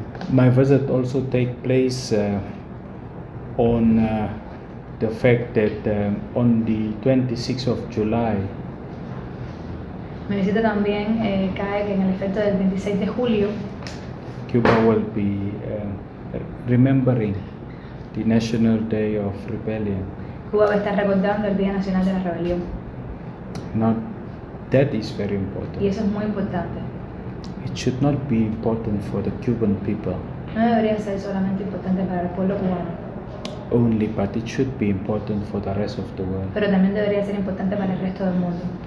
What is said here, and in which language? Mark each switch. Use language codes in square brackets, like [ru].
[en] My visit also take place on the fact that on the 26th of July. [es] Mi visita también cae que en el efecto del 26 de julio. [en] Cuba will be remembering the National Day of Rebellion. [es] Cuba va a estar recordando el Día Nacional de la Rebelión. [en] Now, that is very important. [es] Y eso es muy importante. [en] It should not be important for the Cuban people. [es] No debería ser solamente importante para el pueblo cubano. [en] Only, but it should be important for the rest of the world. [es] Pero también debería ser importante para el resto del mundo.